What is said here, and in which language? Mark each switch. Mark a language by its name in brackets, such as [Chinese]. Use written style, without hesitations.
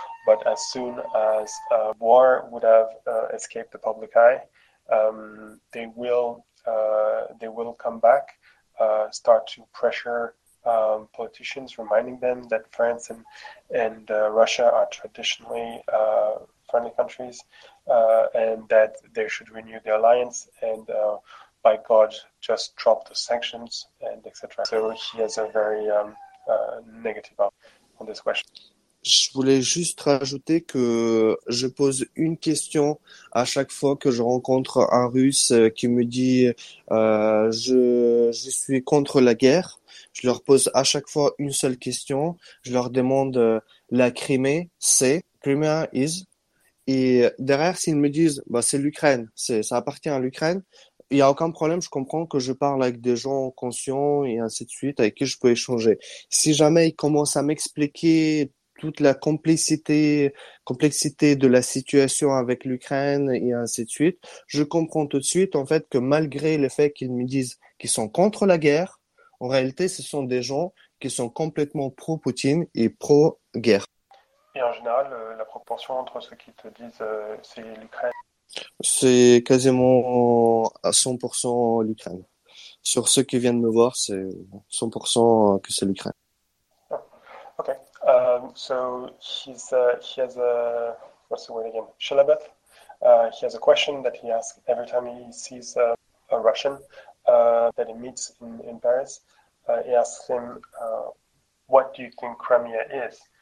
[English] But as soon as war would have escaped the public eye, they will come back, start to pressure politicians, reminding them that France and Russia are traditionally friendly countries, and that they should renew the alliance, and by God, just drop the sanctions, and etc. So he has a very negative outlook on this question. [French] Je voulais juste rajouter que je pose une question à chaque fois que je rencontre un Russe qui me dit je suis contre la guerre. Je leur pose à chaque fois une seule question. Je leur demande la Crimée, c'est [English] Crimea is. [French] Et derrière, s'ils me disent bah c'est l'Ukraine, ça appartient à l'Ukraine, il y a aucun problème. Je comprends que je parle avec des gens conscients et ainsi de suite avec qui je peux échanger. Si jamais ils commencent à m'expliquer toute la complexité de la situation avec l'Ukraine et ainsi de suite, je comprends tout de suite en fait que malgré le fait qu'ils me disent qu'ils sont contre la guerre, en réalité ce sont des gens qui sont complètement pro-Poutine et pro-guerre. Et en général, la proportion entre ceux qui te disent c'est l'Ukraine, c'est quasiment à 100% l'Ukraine. Sur ceux qui viennent me voir, c'est 100% que c'est l'Ukraine. [English] So he's he has a, what's the word again, Shalabat. He has a question that he asks every time he sees a Russian that he meets in Paris. He asks him, what do you think Crimea is?